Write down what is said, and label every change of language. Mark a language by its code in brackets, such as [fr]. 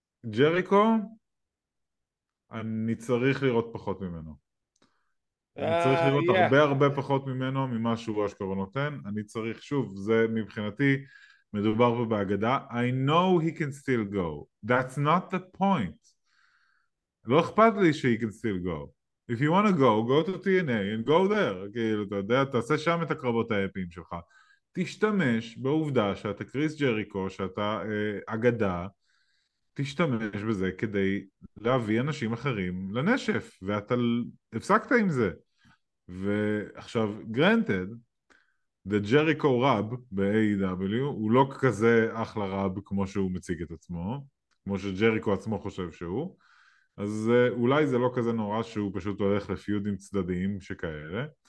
[he] ג'ריקו, אני צריך לראות פחות ממנו. אני צריך לראות הרבה הרבה פחות ממנו ממה שהוא אשכרה נותן. אני צריך, שוב, זה מבחינתי, מדובר פה באגדה. [en] I know he can still go. That's not the point. [he] לא אכפת לי שהוא [en] can still go. If you want to go, go to TNA and go there. [he] כאילו, אתה יודע, תעשה שם את הקרבות האפיים שלך. תשתמש בעובדה שאתה קריס ג'ריקו, שאתה אגדה, תשתמש בזה כדי להביא אנשים אחרים לנשף, ואתה הפסקת עם זה. ועכשיו, [en] granted, the Jericho rub [he] ב-AEW הוא לא כזה אחלה רב כמו שהוא מציג את עצמו, כמו שג'ריקו עצמו חושב שהוא, אז אולי זה לא כזה נורא שהוא פשוט הולך לפיודים צדדיים שכאלה.